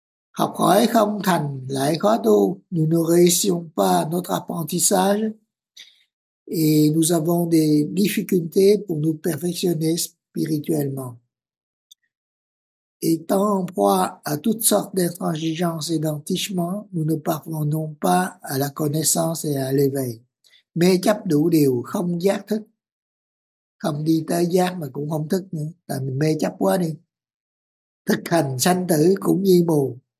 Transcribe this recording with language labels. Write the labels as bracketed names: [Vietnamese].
[Vietnamese] Học hỏi không thành lại khó tu. [French] Nous ne réussissons pas notre apprentissage et nous avons des difficultés pour nous perfectionner spirituellement. Étant en proie à toutes sortes d'intransigeances et d'entichements, nous ne parvenons pas à la connaissance et à l'éveil. [Vietnamese] Mê chấp đủ điều, không giác thức. Không đi tới giác mà cũng không thức nữa. Tại mình mê chấp quá đi. Thực hành sanh tử cũng như mù.